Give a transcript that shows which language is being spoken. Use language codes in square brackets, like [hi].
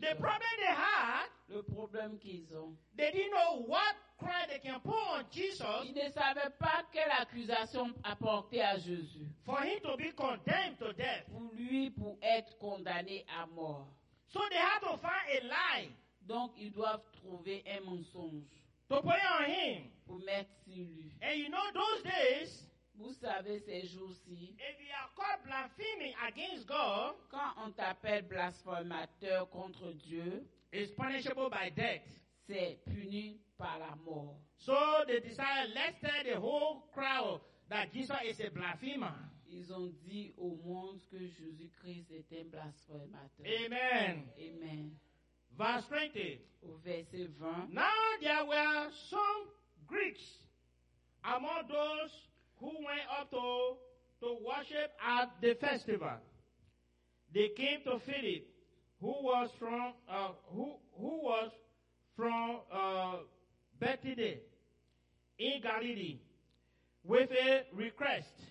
[en] the [fr] homme? [en] The problem they had. [fr] Le problème qu'ils ont. [en] They didn't know what crime they can put on Jesus. [fr] Ils ne savaient pas quelle accusation apporter à Jésus. [en] For him to be condemned to death. [fr] Pour lui, pour être condamné à mort. [en] So they had to find a lie. [fr] Donc ils doivent trouver un mensonge. [en] To put it on him. [fr] Pour mettre sur lui. [en] And you know those days. [fr] Vous savez ces jours-ci. [en] If you are blasphemy against God, [fr] quand on t'appelle blasphémateur contre Dieu, [en] is punishable by death. [fr] C'est puni par la mort. [en] So they decided, let's tell the whole crowd that Jesus is a blasphemer. [fr] Ils ont dit au monde que Jésus-Christ est un blasphémateur. [en] Amen. [fr] Amen. [en] Verse 20. [fr] Au verset 20. [en] Now there were some Greeks among those who went up to worship at the festival. They came to Philip, who was from Bethany in Galilee, with a request.